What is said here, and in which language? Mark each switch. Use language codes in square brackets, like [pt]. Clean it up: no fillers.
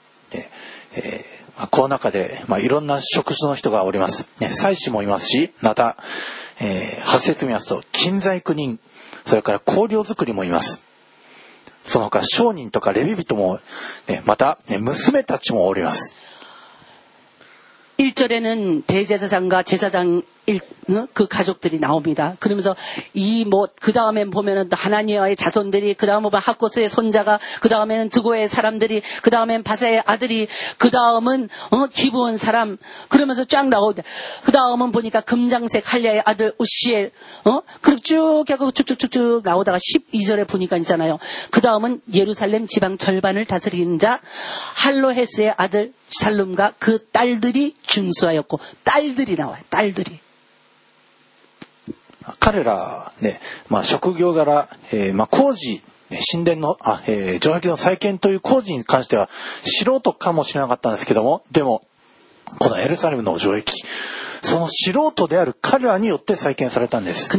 [ja] で、まあ、この中で、まあ、いろんな職種の人がおります、ね、祭司もいますしまた、発説見ますと金細工人それから香料作りもいますその他商人とかレビ人も、ね、また、ね、娘たちもおります [ko] 1절에는대제사장과제사장 그 가족들이 나옵니다. 그러면서 이 뭐 그 다음에 보면은 하나니아의 자손들이, 그 다음은 하코스의 손자가, 그 다음에는 두고의 사람들이, 그 다음엔 바세의 아들이, 그 다음은 기부온 사람, 그러면서 쫙 나오다. 그 다음은 보니까 금장색 할리아의 아들 우시엘, 그럼 쭉 하고 쭉쭉쭉쭉 나오다가 12절에 보니까 있잖아요. 그 다음은 예루살렘 지방 절반을 다스리는 자 할로헤스의 아들 살룸과 그 딸들이 준수하였고, 딸들이 나와요. 딸들이. [ja] 彼らね、まあ、職業柄、まあ、工事、神殿の、城壁の再建という工事に関しては素人かもしれなかったんですけども、でもこのエルサレムの城壁、その素人である彼らによって再建されたんです。